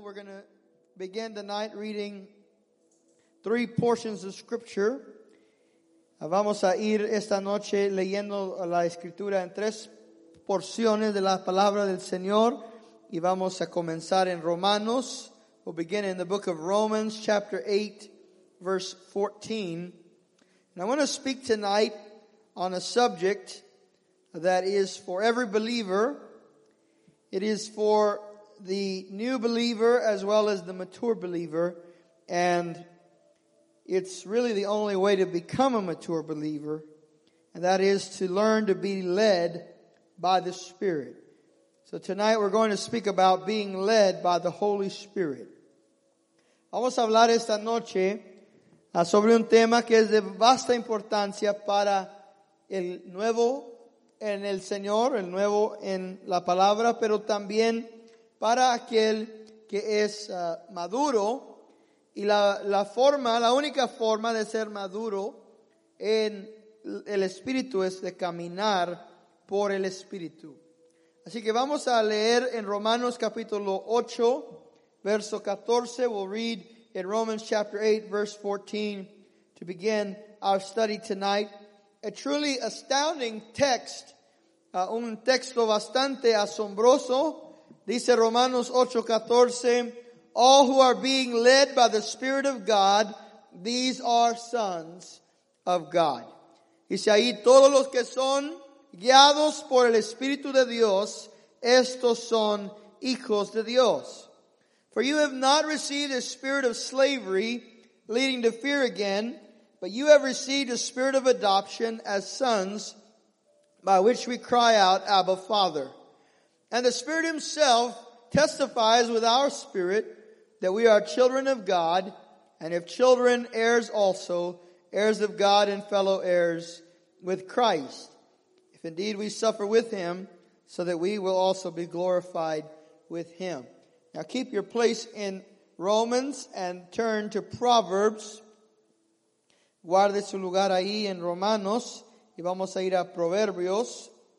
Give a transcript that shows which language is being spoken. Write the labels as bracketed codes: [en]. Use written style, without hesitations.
[en] We're going to begin tonight reading three portions of Scripture. [es] Vamos a ir esta noche leyendo la Escritura en tres porciones de la Palabra del Señor. Y vamos a comenzar en Romanos. [en] We'll begin in the book of Romans, chapter 8, verse 14. And I want to speak tonight on a subject that is for every believer. It is for the new believer as well as the mature believer, and it's really the only way to become a mature believer, and that is to learn to be led by the Spirit. So tonight we're going to speak about being led by the Holy Spirit. [es] Vamos a hablar esta noche sobre un tema que es de vasta importancia para el nuevo en el Señor, el nuevo en la palabra, pero también para aquel que es maduro. Y la única forma de ser maduro en el Espíritu es de caminar por el Espíritu. Así que vamos a leer en Romanos capítulo 8, verso 14. [en] We'll read in Romans chapter 8, verse 14 to begin our study tonight. A truly astounding text, [es] un texto bastante asombroso. [en] Dice Romanos 8:14, all who are being led by the Spirit of God, these are sons of God. [es] Dice ahí, todos los que son guiados por el Espíritu de Dios, estos son hijos de Dios. [en] For you have not received a spirit of slavery, leading to fear again, but you have received a spirit of adoption as sons, by which we cry out, Abba, Father. And the Spirit Himself testifies with our spirit that we are children of God, and if children, heirs also, heirs of God and fellow heirs with Christ, if indeed we suffer with Him, so that we will also be glorified with Him. Now keep your place in Romans and turn to Proverbs. [es] Guarde su lugar ahí en Romanos y vamos a ir a Proverbios.